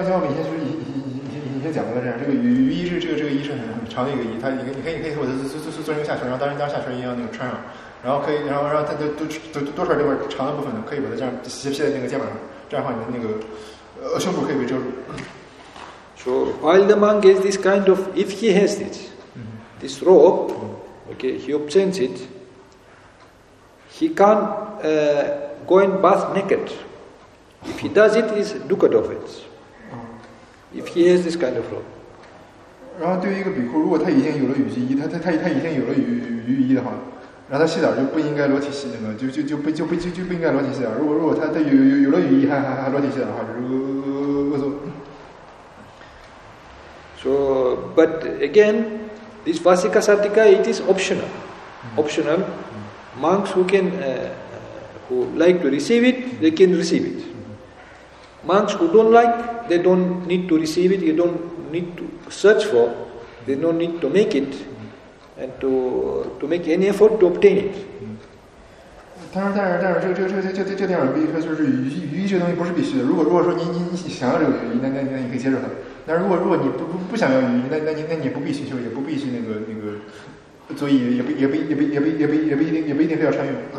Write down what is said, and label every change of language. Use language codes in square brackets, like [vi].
[zh] 像我们以前讲的这样，这个雨衣是这个衣是很长的一个衣，它你可以或者就做成一个下身，然后当下身一样那个穿上，然后可以然后它的多少这块长的部分呢，可以把它这样披在那个肩膀上，这样的话你的那个胸部可以被遮住。 [en] So while the monk is this kind of, if he has it, this rope, okay, he obtains it, he can go and bath naked. If he does it, is dukkha of it. If he has this kind of rope. [zh] 然后对于一个比库，如果他已经有了雨衣，他已经有了雨衣的话，然后他洗澡就不应该裸体洗那个，就不应该裸体洗澡。如果他有了雨衣还裸体洗澡的话，就是恶作。 [en] So, but again, this Vasika Satika it is optional. Optional. Monks who can who like to receive it, they can receive it. Monks who don't like. They don't need to receive it, you don't need to search for, they don't need to make it, and to make any effort to obtain it. [zh] 但是这地方必须说是雨衣这东西不是必须的，如果说你想要这个雨衣，那你可以接受它，但如果你不想要雨衣，那你不必寻求，也不必去那个作揖，也不一定非要穿用。